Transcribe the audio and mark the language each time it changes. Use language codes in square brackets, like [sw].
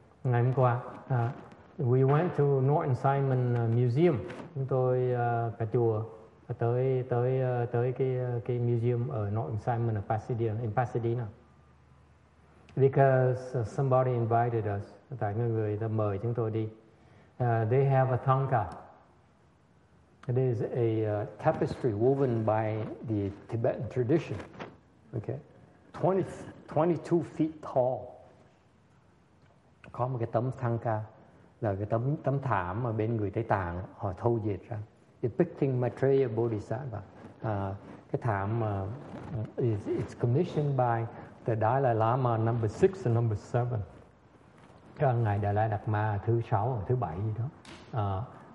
[vi] Ngày hôm qua, [en] we went to Norton Simon Museum. [vi] Chúng tôi cả chùa tới cái museum ở Norton Simon [en] in Pasadena. Because somebody invited us, [vi] tại người ta mời chúng tôi đi. [en] They have a thangka. It is a tapestry woven by the Tibetan tradition. Okay, 22 feet tall. [vi] Có một cái tấm thangka, là cái tấm thảm mà bên người Tây Tạng họ thâu dệt ra. [en] Depicting Maitreya Bodhisattva. [vi] Cái thảm [en] is commissioned by the Dalai Lama number 6 and number 7. [vi] Cái ngài Đà Lai Đạt Ma thứ 6 và thứ 7 gì đó.